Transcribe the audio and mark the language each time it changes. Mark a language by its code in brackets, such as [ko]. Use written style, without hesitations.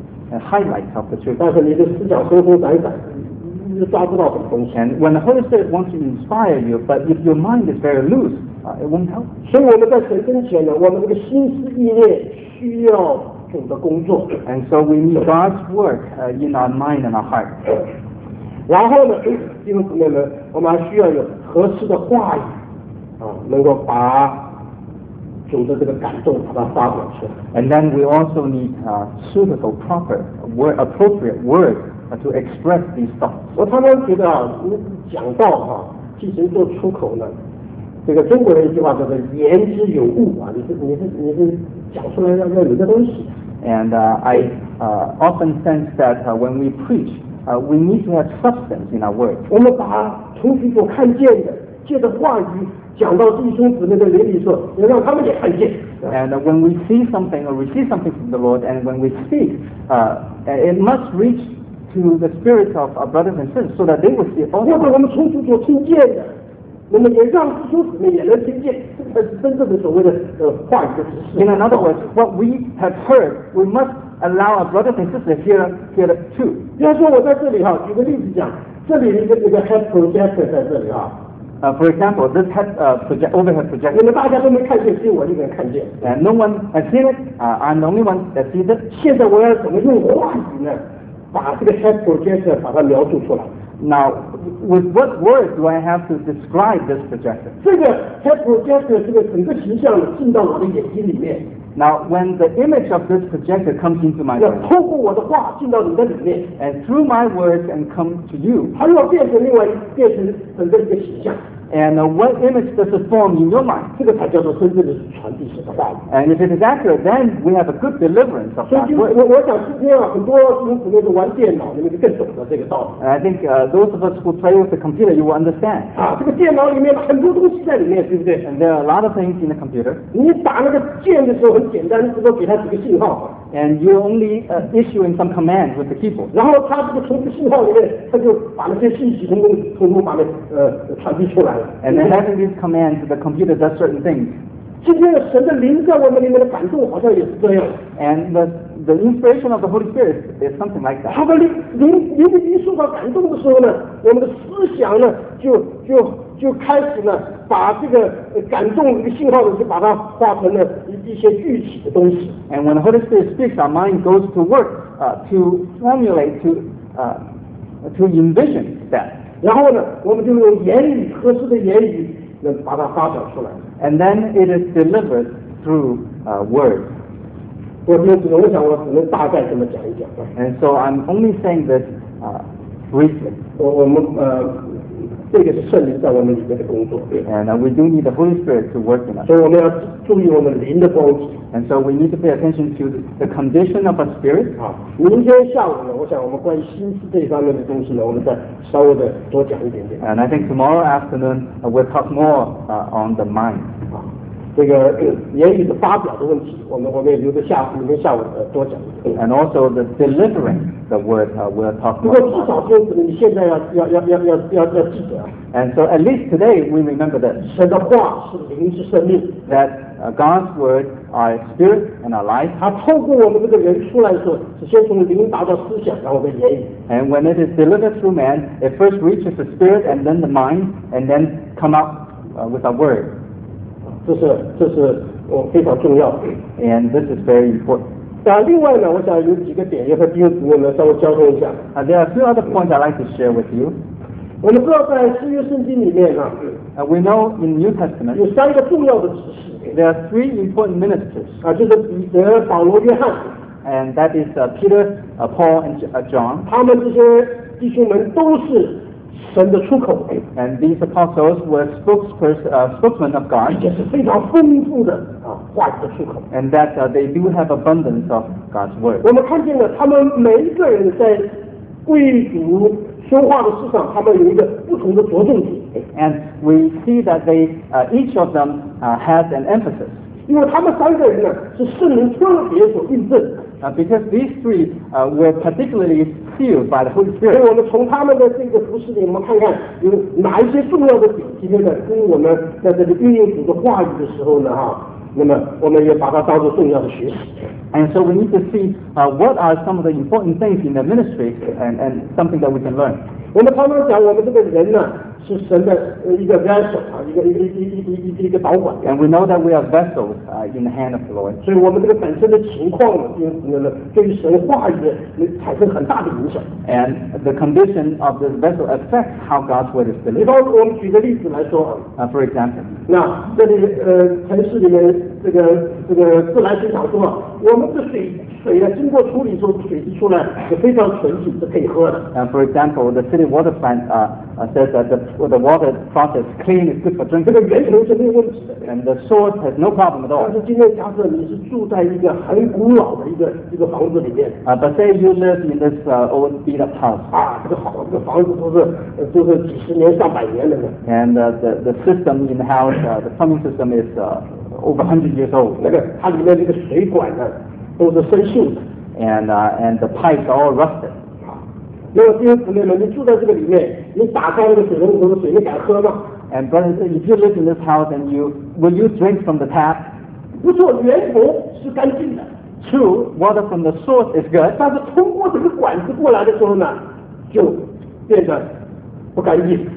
[en] And highlights of the truth. And when the Holy Spirit wants to inspire you, but if your mind is very loose, it won't help. [zh] 所以我们在神跟前呢，我们这个心思意念需要主的工作。 [en] And so we need God's work in our mind and our heart. [zh] 然后呢，弟兄姊妹们，我们还需要有合适的话语，能够把主的这个感动把它发表出来。 [en] And then we also need suitable, proper, appropriate words. To express these thoughts. [zh] 我常常觉得啊，你讲道哈、啊，替神做出口呢，这个中国人一句话叫做言之有物啊，你是讲出来要有个东西。 [en] And I often sense that when we preach, we need to have substance in our words. [zh] 我们把从主所看见的，借着话语讲到弟兄姊妹的邻里说，也让他们也看见。 [en] And when we see something or receive something from the Lord, and when we speak, it must reach. To the spirit of our brothers and sisters, so that they will see it. [zh] 要不然我们从主所听见的，那么也让弟兄姊妹也能听见，这才是真正的所谓的话语的指示。 [en] In other words, what we have heard, we must allow our brothers and sisters to hear it too. [zh] 比方说我在这里哈，举个例子讲，这里一个这个 [en] head projector [zh] 在这里哈。 [en] For example, this head overhead projector. [zh] 你们大家都没看见，只有我一个人看见。 [en] And no one has seen it. I'm the only one that sees it. [zh] 现在我要怎么用话语呢？把这个 [en] head projector [zh] 把它描述出来。 [en] Now, with what words do I have to describe this projector? [zh] 这个 [en] head projector [zh] 这个整个形象进到我的眼睛里面。 [en] Now, when the image of this projector comes into my mind, [zh] 透过我的话进到你的里面 [en] and through my words and come to you, [zh] 它又变成另外变成整个一个形象 [en] and what image does it form in your mind? [zh] 这个才叫做真正的传递式的话语 [en] And if it is accurate, then we have a good deliverance of that word. [zh] 所以我想今天啊，很多同学都玩电脑，你们就更懂得这个道理 [en] And I think those of us who play with the computer, you will understand. [zh] 啊，这个电脑里面很多东西在里面，对不对 [en] And there are a lot of things in the computer. [zh] 你打那个键的时候简单，只是给他几个信号。 [en] And you only issuing some commands with the keyboard. [zh] 然后他这个从这信号里面，他就把那些信息通通把它传递出来了。 [en] And then having these commands, the computer does certain things. [zh] 今天神的灵在我们里面的感动好像也是这样。 [en] And the inspiration of the Holy Spirit is something like that. [zh] 他的灵一受到感动的时候呢，我们的思想呢就开始呢，把这个感动一个信号的，就把它化成了一些具体的东西。 [en] And when the Holy Spirit speaks, our mind goes to work, to formulate, to envision that. [zh] 然后呢，我们就用言语合适的言语，能把它发表出来。 [en] And then it is delivered through words. [zh] 我就只能想，我只能大概这么讲一讲。 [en] And so I'm only saying this briefly. [zh] 我们这个是圣灵在我们里面的工作。 [en] And we do need the Holy Spirit to work in us. [zh] 所以我们要注意我们灵的光景。 [en] And so we need to pay attention to the condition of our spirit. [zh] 好，明天下午呢，我想我们关于心思这方面的东西呢，我们再稍微的多讲一点点。 [en] And I think tomorrow afternoon we'll talk more on the mind. [zh] 这个言语的发表的问题，我们也留着明天下午多讲一点。 [en] And also the delivering. The word we're talking about. [zh] 不过至少今天你现在要记得。 [en] And so at least today we remember that. [zh] 神的话是灵是生命。 [en] That God's word are spirit and are life. [zh] 它透过我们这个人出来的时候，是先从灵达到思想，然后再言语。 [en] And when it is delivered through man, it first reaches the spirit and then the mind, and then come up with our word. [zh] 这是我非常重要的。 [en] And this is very important. [zh] 另外呢，我想有几个点要和弟兄姊妹们稍微交通一下。 [en] There are two other points I'd like to share with you. [zh] 我们知道在新约圣经里面呢、 [en] We know in New Testament [zh] 有三个重要的指示。 [en] There are three important ministers. [zh] 就是彼得、保罗、约翰。 [en] And that is Peter, Paul, and John. [zh] 他们这些弟兄们都是神的出口。 [en] And these apostles were spokesmen of God. [zh] 也是非常丰富的。话语的出口 [en] and that they do have abundance of God's word. [zh] 我们看见了他们每一个人在贵族说话的事上，他们有一个不同的着重点。 [en] And we see that they each of them has an emphasis. [zh] 因为他们三个人呢是圣灵特别所印证。 [en] Because these three were particularly sealed by the Holy Spirit. [zh] 所以我们从他们的这个服事里，我们看看有哪一些重要的点，今天呢跟我们在这里运用主的话语的时候呢那么我们也把它当作重要的学习。 [en] And so we need to see what are some of the important things in the ministry and something that we can learn. [zh] 我们常常讲我们这个人呢是神的一个 vessel 一个导管。 [en] And we know that we are vessels in the hand of the Lord. [zh] 所以我们这个本身的情况呢，对于神话语能产生很大的影响。 [en] And the condition of this vessel affects how God's word is delivered. [zh] 比如我们举个例子来说。 [en] For example. [zh] 那这里城市里面这个自来水厂说，我们的水呢经过处理之后，水一出来是非常纯净，是可以喝的。 [en] And for example, the city water plant says that the water process clean is good for drinking. [zh] 这个源头是没有问题的。 [en] And the source has no problem at all. [zh] 但是今天假设你是住在一个很古老的一个房子里面。 [en] But say you live in this old beat up house. [zh] 这个房子都是几十年上百年的了。 [en] And the system in the house, the plumbing system is over 100 years old. [zh] 那个它里面这个水管呢。都是生锈的 [en] and the pipes are all rusted [zh] 那么弟兄姊妹们你住在这个里面你打开那个水龙头的水你敢喝吗 [en] and brothers if you live in this house and you will you drink from the tap [zh] 不错源头是干净的 [en] true, water from the source is good. [zh] 但是通过这个管子过来的时候呢，就变得不干净。